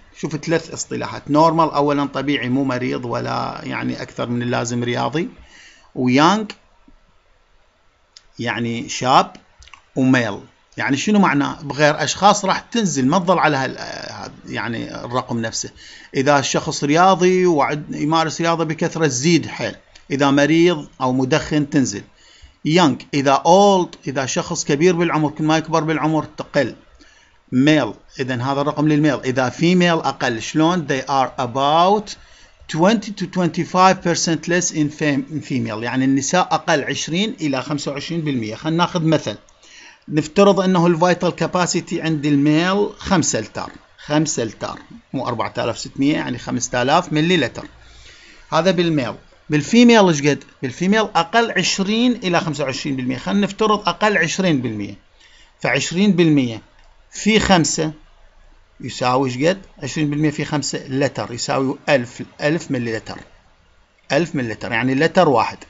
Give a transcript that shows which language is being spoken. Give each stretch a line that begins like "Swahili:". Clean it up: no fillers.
Arabic: شوف ثلاث اصطلاحات، نورمال اولا طبيعي مو مريض ولا يعني اكثر من اللازم رياضي، ويونج يعني شاب، وميل يعني شنو معناه بغير اشخاص راح تنزل ما تظل على يعني الرقم نفسه. اذا الشخص رياضي ويمارس رياضه بكثره تزيد حيل، اذا مريض او مدخن تنزل. young اذا old اذا شخص كبير بالعمر، كل ما يكبر بالعمر تقل. male اذا هذا الرقم للميل، اذا female اقل. شلون؟
English: they are about 20 to 25% less in female،
Arabic: يعني النساء اقل 20 الى 25%. خلينا ناخذ مثل، نفترض انه الفايتال كاباسيتي عند الميل 5 لتر، 5 لتر مو 4600 يعني 5000 ملي لتر، هذا بالميل. بالفيميل ايش قد؟ بالفيميل اقل 20 الى 25%، خلينا نفترض اقل 20%، ف 20% في 5 يساوي ايش قد؟ 20% في 5 لتر يساوي 1000، 1000 ملي لتر، 1000 ملي لتر يعني لتر واحد.